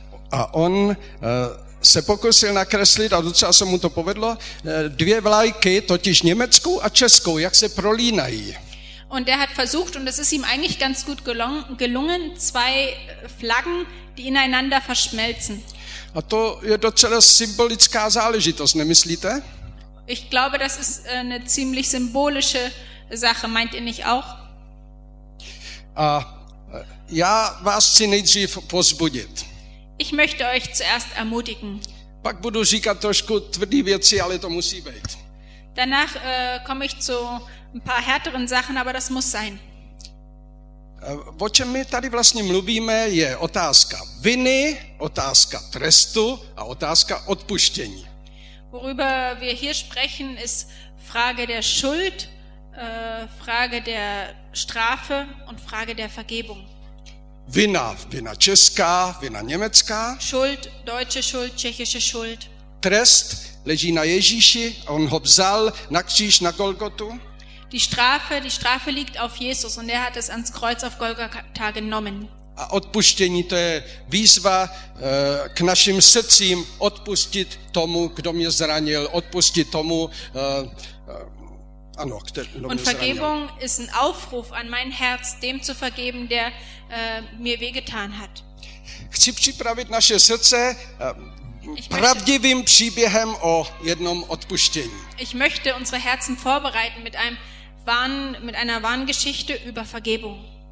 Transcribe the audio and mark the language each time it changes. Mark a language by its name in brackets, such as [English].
[Czech] A on se pokusil nakreslit, a docela se mu to povedlo, dvě vlajky, totiž německou a českou, jak se prolínají. [German] Und er hat versucht, und es ist ihm eigentlich ganz gut gelungen, zwei Flaggen, die ineinander verschmelzen. [Czech] A to je docela symbolická záležitost, nemyslíte? [German] Ich glaube, das ist eine ziemlich symbolische Sache, meint ihr nicht auch? [Czech] A já vás chci nejdřív pozbudit. [German] Ich möchte euch zuerst ermutigen. [Czech] Pak budu říkat trošku tvrdý věci, ale to musí být. [German] Danach komme ich zu ein paar härteren Sachen, aber das muss sein. [Czech] O čem my tady vlastně mluvíme, je otázka viny, otázka trestu a otázka odpuštění. [German] Worüber wir hier sprechen, ist Frage der Schuld, Frage der Strafe und Frage der Vergebung. [Czech] Vina česká, vina německá. [German] Schuld, deutsche Schuld, tschechische Schuld. [Czech] Trest leží na Ježíši, on ho vzal na kříž na Golgotu. [German] Die Strafe liegt auf Jesus und er hat es ans Kreuz auf Golgatha genommen. [Czech] A odpuštění, to je výzva k našim srdcím odpustit tomu, kdo mě zranil, odpustit tomu, ano, kdo mě zranil. [German] Und Vergebung ist ein Aufruf an mein Herz, dem zu vergeben, der mir wehgetan hat. [Czech] Chci připravit naše srdce pravdivým příběhem o jednom odpuštění. [German] Ich möchte unsere Herzen vorbereiten mit einer wahren Geschichte über Vergebung.